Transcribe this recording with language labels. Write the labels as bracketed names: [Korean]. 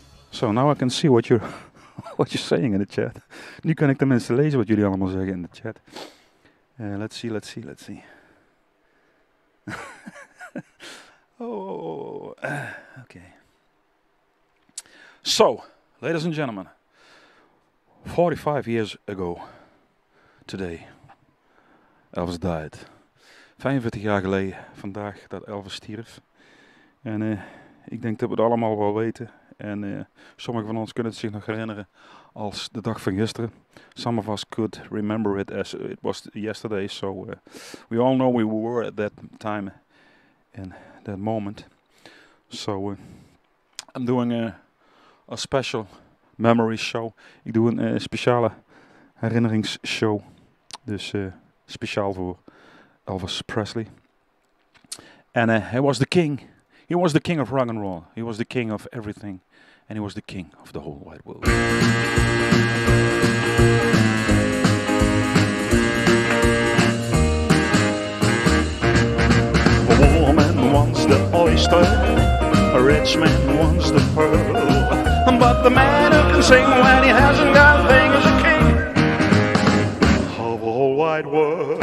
[English] So now I can see what you're saying in the chat. [Dutch] Nu kan ik tenminste lezen wat jullie allemaal zeggen in de chat. [English] Let's see. Okay. So, ladies and gentlemen, 45 years ago today, Elvis died. [Dutch] 45 jaar geleden, vandaag dat Elvis stierf. En ik denk dat we het allemaal wel weten. En sommigen van ons kunnen het zich nog herinneren als de dag van gisteren. [English] Some of us could remember it as it was yesterday. So we all know we were at that time, in that moment. So I'm doing a special memory show. [Dutch] Ik doe een speciale herinneringsshow. Dus speciaal voor Elvis Presley. [English] En he was the king. He was the king of rock and roll. He was the king of everything. And he was the king of the whole wide world. A woman wants the oyster, a rich man wants the pearl, but the man who can sing when he hasn't got a thing is the king of the whole wide world.